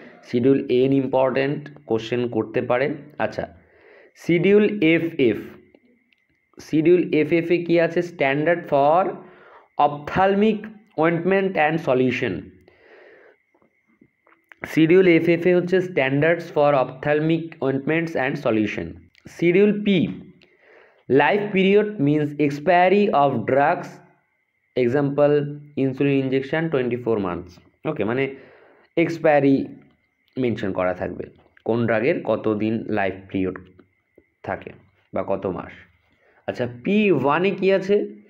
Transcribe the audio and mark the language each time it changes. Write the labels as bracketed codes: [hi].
[bn] Schedule N important, question করতে পারে। আচ্ছা, শিডিউল FF, শিডিউল FF এ কী আছে, standard for ophthalmic ointment and solution. Schedule FF এ হচ্ছে standards for ophthalmic ওয়েন্টমেন্টস and solution. Schedule P, [en] Life period means expiry of drugs. Example, insulin injection 24 months. [bn] Okay, মানে expiry mention করা থাকবে। কোন রাগের কত দিন life period থাকে বা কত মাস। আচ্ছা, P1 কি আছে?